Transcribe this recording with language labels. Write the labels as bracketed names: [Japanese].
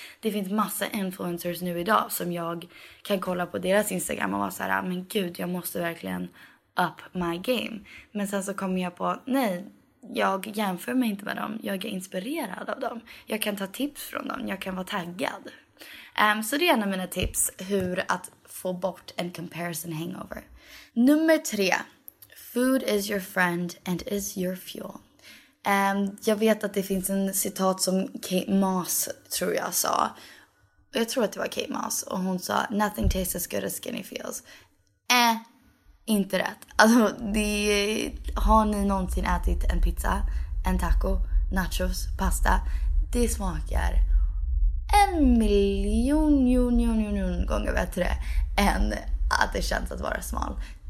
[Swedish] Det finns massa influencers nu idag som jag kan kolla på deras Instagram och vara så här, men gud, jag måste verkligen [English] up my game. [Swedish] Men sen så kommer jag på, nej, jag jämför mig inte med dem, jag är inspirerad av dem. Jag kan ta tips från dem, jag kan vara taggad. Så det är en av mina tips hur att få bort en [English] comparison hangover. [Swedish] Nummer 3. [English] Food is your friend and is your fuel. [Swedish] Jag vet att det finns en citat som Kate Moss tror jag sa. Jag tror att det var Kate Moss. Och hon sa, [English] nothing tastes as good as skinny feels. [Swedish] Inte rätt. Alltså, har ni någonsin ätit en pizza, en taco, nachos, pasta? Det smakar... en miljon gånger bättre än att det känns att vara smal.